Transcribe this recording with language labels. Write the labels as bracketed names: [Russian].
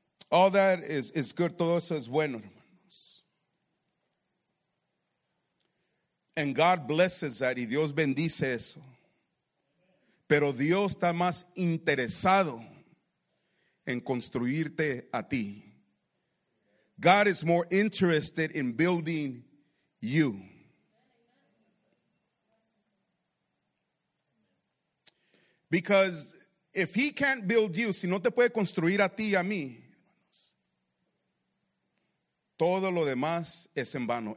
[English] All that is good. [Spanish] Todo eso es bueno, hermanos. [English] And God blesses that. [Spanish] Y Dios bendice eso. Pero Dios está más interesado en construirte a ti. [English] God is more interested in building you. Because if he can't build you, [Spanish] si no te puede construir a ti y a mí, todo lo demás es en vano.